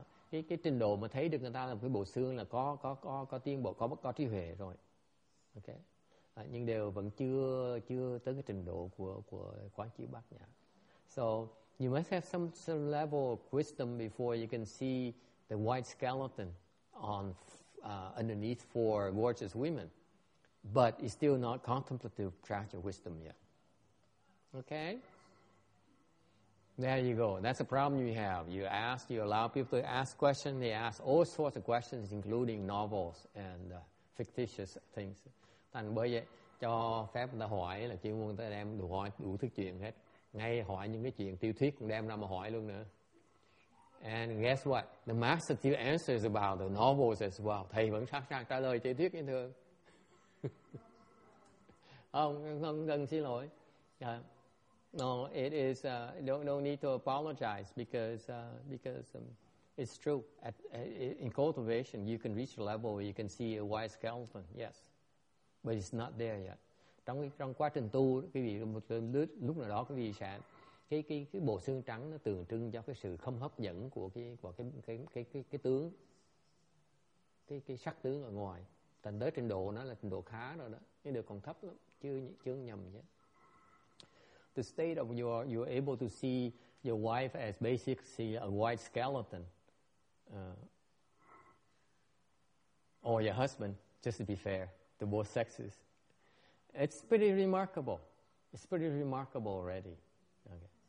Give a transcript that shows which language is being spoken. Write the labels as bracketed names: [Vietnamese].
[Vietnamese] Cái trình độ mà thấy được người ta là cái bộ xương là có tiến bộ, có trí huệ rồi, ok, nhưng đều vẫn chưa tới cái trình độ của quán chiếu bát nhã. [English] So you must have some level of wisdom before you can see the white skeleton on underneath four gorgeous women, but it's still not contemplative practical wisdom yet. Okay. There you go. That's a problem you have. You ask, you allow people to ask questions. They ask all sorts of questions, including novels and fictitious things. [Vietnamese] Thành bởi vậy, cho phép người ta hỏi là chuyên môn người ta đem đủ hỏi đủ thứ chuyện hết. Ngay hỏi những cái chuyện tiêu thuyết cũng đem ra mà hỏi luôn nữa. [English] And guess what? The master still answers about the novels as well. [Vietnamese] Thầy vẫn sẵn sàng trả lời tiêu thuyết như thường. không cần xin lỗi. [English] Yeah. No, it is. No need to apologize because it's true. In cultivation, you can reach a level where you can see a white skeleton. Yes, but it's not there yet. [Vietnamese] Trong quá trình tu, quý vị một lúc nào đó quý vị sẽ cái bộ xương trắng nó tượng trưng cho cái sự không hấp dẫn của cái tướng, cái sắc tướng ở ngoài. Tận tới trình độ nó là trình độ khá rồi đó, nhưng được còn thấp lắm, chưa nhầm nhé. [English] The state of you're able to see your wife as basically a white skeleton, or your husband, just to be fair, to both sexes. It's pretty remarkable. It's pretty remarkable already. Okay.